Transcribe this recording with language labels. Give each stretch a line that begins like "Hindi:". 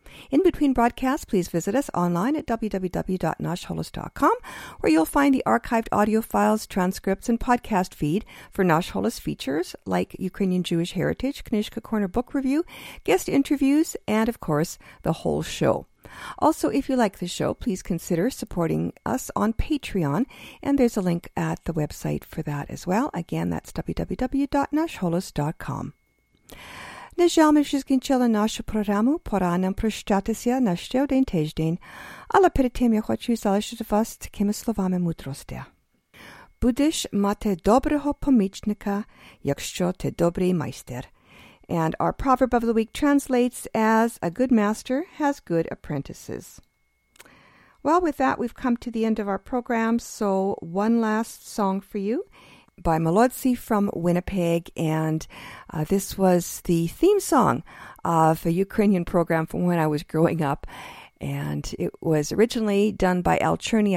English: In between broadcasts, please visit us online at www.nashholos.com, where you'll find the archived audio files, transcripts, and podcast feed for Nash Holos features like Ukrainian Jewish Heritage, Knishka Corner Book Review, guest interviews, and, of course, the whole show. Also, if you like the show, please consider supporting us on Patreon, and there's a link at the website for that as well. Again, that's www.nashholos.com.
Ukrainian: Нежалми шізкінчила нашу програму, пора нам прощатися на ще один тиждень, але перед тим я хочу залишити вас такими словами мудрості. Будеш мати доброго помічника, якщо ти добрий майстер.
English: And our proverb of the week translates as, a good master has good apprentices. Well, with that, we've come to the end of our program, so one last song for you. By Molodzi from Winnipeg, and this was the theme song of a Ukrainian program from when I was growing up, and it was originally done by Al Cherny.